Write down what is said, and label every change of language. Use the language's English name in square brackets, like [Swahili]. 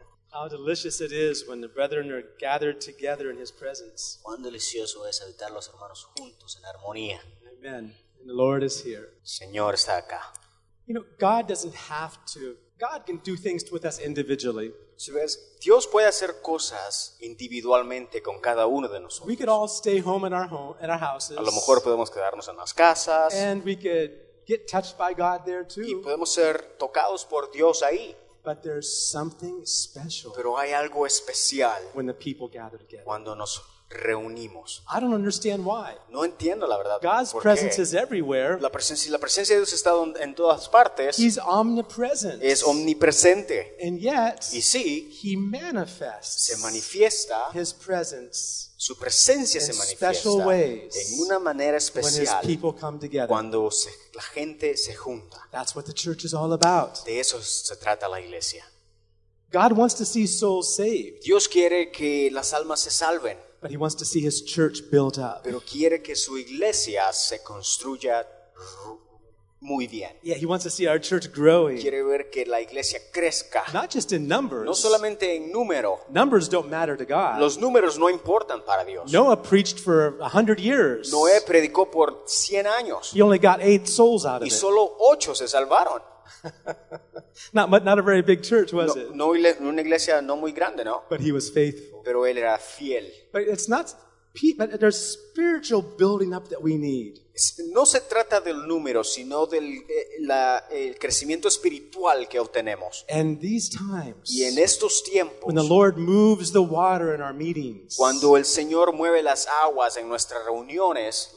[English] How delicious it is when the brethren are gathered together in His presence. [Spanish] Cuán delicioso es habitar los hermanos juntos en armonía. [English] Amen. And the Lord is here. [Spanish] Señor está acá. [English] You know, God doesn't have to. God can do things with us individually. [Spanish] Si ves, Dios puede hacer cosas individualmente con cada uno de nosotros. [English] We could all stay home in our home, in our houses. [Spanish] A lo mejor podemos quedarnos en las casas. [English] And we could get touched by God there too. [Spanish] Y podemos ser tocados por Dios ahí. [English] But there's something special. [Spanish] Pero hay algo especial. [English] When the people gather together. [Spanish] Cuando nos reunimos. [English] I don't understand why. [Spanish] No entiendo la verdad. [English] God's presence is everywhere. [Spanish] La presencia de Dios está en todas partes. [English] He's omnipresent. [Spanish] Es omnipresente. [English] And yet, [Spanish] y sí, [English] He manifests. [Spanish] Se manifiesta. [English] His presence. [Spanish] Su presencia se manifiesta. [English] In special ways. [Spanish] En una manera especial. [English] When His people come together. [Spanish] Cuando la gente se junta. [English] That's what the church is all about. [Spanish] De eso se trata la iglesia. [English] God wants to see souls saved. [Spanish] Dios quiere que las almas se salven. [English] But He wants to see His church built up. [Spanish] Pero quiere que su iglesia se construya muy bien. [English] Yeah, He wants to see our church growing. [Spanish] Quiere ver que la iglesia crezca. [English] Not just in numbers. [Spanish] No solamente en número. [English] Numbers don't matter to God. [Spanish] Los números no importan para Dios. [English] Noah preached for 100 years. [Spanish] Noé predicó por 100 años. [English] He only got 8 souls out of it. [Spanish] Y solo 8 se salvaron. [English] not a very big church, was [Spanish] no, [English] it? [Spanish] No, una iglesia no muy grande, ¿no? [English] But he was faithful. [Spanish] Pero él era fiel. [English] But it's not. But there's spiritual building up that we need. [Spanish] No se trata del número, sino del el crecimiento espiritual que obtenemos. [English] And these times, [Spanish] y en estos tiempos, [English] when the Lord moves the water in our meetings, [Spanish] cuando el Señor mueve las aguas en nuestras reuniones,